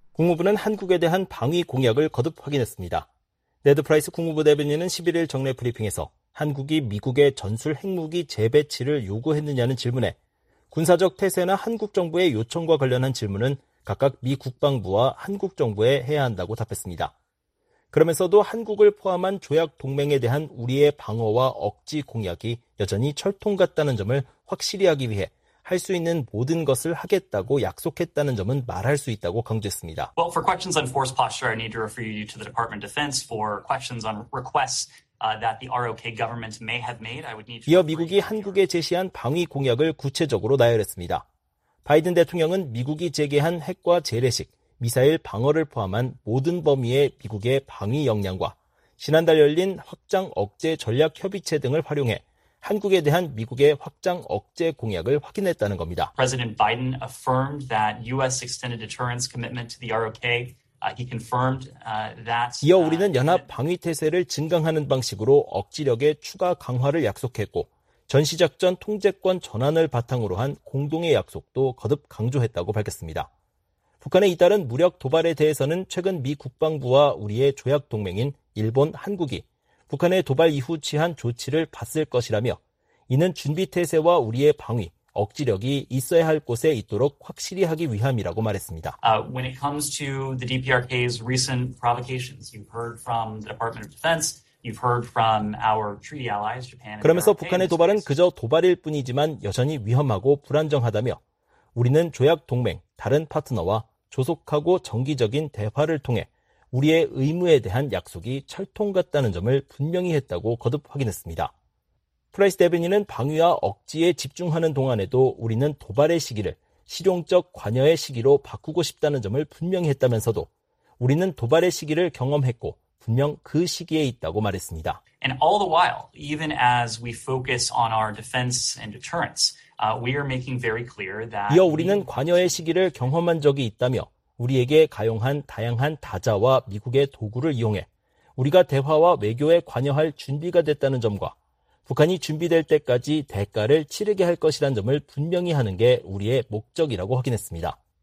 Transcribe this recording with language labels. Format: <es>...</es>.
<ko>국무부는 한국에 대한 방위 공약을 거듭 확인했습니다. 네드 프라이스 국무부 대변인은 11일 정례 브리핑에서 한국이 미국의 전술 핵무기 재배치를 요구했느냐는 질문에 군사적 태세나 한국 정부의 요청과 관련한 질문은 각각 미 국방부와 한국 정부에 해야 한다고 답했습니다. 그러면서도 한국을 포함한 조약 동맹에 대한 우리의 방어와 억지 공약이 여전히 철통 같다는 점을 확실히 하기 위해 할 수 있는 모든 것을 하겠다고 약속했다는 점은 말할 수 있다고 강조했습니다.</ko> <en>Well, for questions on force posture, I need to refer you to the Department of Defense. For questions on requests that the ROK government may have made, I would need to.</en> <ko>이어 미국이 한국에 제시한 방위 공약을 구체적으로 나열했습니다. 바이든 대통령은 미국이 제기한 핵과 재래식, 미사일 방어를 포함한 모든 범위의 미국의 방위 역량과 지난달 열린 확장 억제 전략 협의체 등을 활용해 한국에 대한 미국의 확장 억제 공약을 확인했다는 겁니다.</ko> <en>President Biden affirmed that U.S. extended deterrence commitment to the ROK. He confirmed that.</en> <ko>이어 우리는 연합 방위 태세를 증강하는 방식으로 억지력의 추가 강화를 약속했고 전시작전 통제권 전환을 바탕으로 한 공동의 약속도 거듭 강조했다고 밝혔습니다. 북한의 이따른 무력 도발에 대해서는 최근 미 국방부와 우리의 조약 동맹인 일본, 한국이 북한의 도발 이후 취한 조치를 봤을 것이라며 이는 준비태세와 우리의 방위, 억지력이 있어야 할 곳에 있도록 확실히 하기 위함이라고 말했습니다.</ko> <en>When it comes to the DPRK's recent provocations, you've heard from the Department of Defense. You've heard from our treaty allies, Japan.</en> <ko>그러면서 북한의 도발은 그저 도발일 뿐이지만 여전히 위험하고 불안정하다며 우리는 조약 동맹, 다른 파트너와 조속하고 정기적인 대화를 통해 우리의 의무에 대한 약속이 철통 같다는 점을 분명히 했다고 거듭 확인했습니다. 프라이스 대변인은 방위와 억지에 집중하는 동안에도 우리는 도발의 시기를 실용적 관여의 시기로 바꾸고 싶다는 점을 분명히 했다면서도 우리는 도발의 시기를 경험했고 분명 그 시기에 있다고 말했습니다.</ko> <en>And all the while, even as we focus on our defense and deterrence, we are making very clear that.</en> <ko>이어 우리는 관여의 시기를 경험한 적이 있다며 우리에게 가용한 다양한 다자와 미국의 도구를 이용해 우리가 대화와 외교에 관여할 준비가 됐다는 점과 북한이 준비될 때까지 대가를 치르게 할 것이란 점을 분명히 하는 게 우리의 목적이라고 확인했습니다.</ko>